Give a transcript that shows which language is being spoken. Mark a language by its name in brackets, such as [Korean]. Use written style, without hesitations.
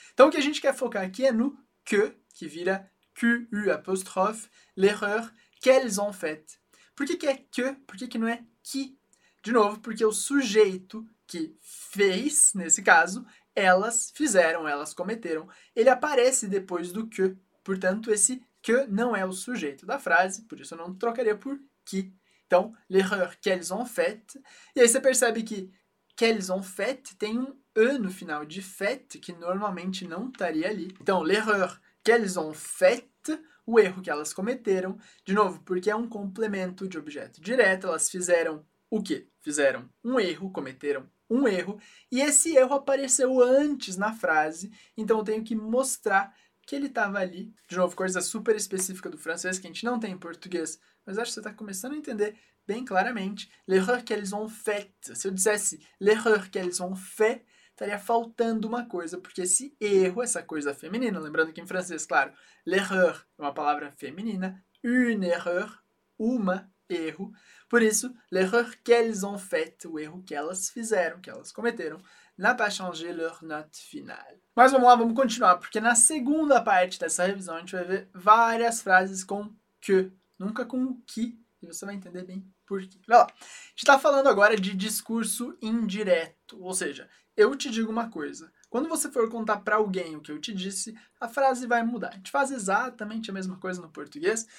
[Portuguese] Então, o que a gente quer focar aqui é no que vira QU apostrophe, [French] l'erreur, qu'elles ont fait. [Portuguese] Por que que é que? Por que que não é qui? De novo, porque o sujeito que fez, nesse caso, elas fizeram, elas cometeram, ele aparece depois do que. Portanto, esse que não é o sujeito da frase, por isso eu não trocaria por qui. Então, [French] l'erreur qu'elles ont fait. [Portuguese] E aí você percebe que [French] qu'elles ont fait [Portuguese] tem um e no final de fait, que normalmente não estaria ali. Então, [French] l'erreur qu'elles ont fait, [Portuguese] o erro que elas cometeram. De novo, porque é um complemento de objeto direto, elas fizeram o quê? Fizeram um erro, cometeram um erro. E esse erro apareceu antes na frase, então eu tenho que mostrar que ele estava ali. De novo, coisa super específica do francês que a gente não tem em português, mas acho que você está começando a entender bem claramente. [French] L'erreur qu'elles ont fait. [Portuguese] Se eu dissesse [French] l'erreur qu'elles ont fait, [Portuguese] estaria faltando uma coisa, porque esse erro, essa coisa feminina, lembrando que em francês, claro, l'erreur é uma palavra feminina, [French] une erreur, [Portuguese] uma, erro. Por isso, [French] l'erreur qu'elles ont fait, [Portuguese] o erro que elas fizeram, que elas cometeram, [French] n'a pas changé leur note finale. [Portuguese] Mas vamos lá, vamos continuar, porque na segunda parte dessa revisão a gente vai ver várias frases com que, nunca com que, e você vai entender bem por quê. Olha lá, a gente está falando agora de discurso indireto, ou seja, eu te digo uma coisa, quando você for contar para alguém o que eu te disse, a frase vai mudar, a gente faz exatamente a mesma coisa no português.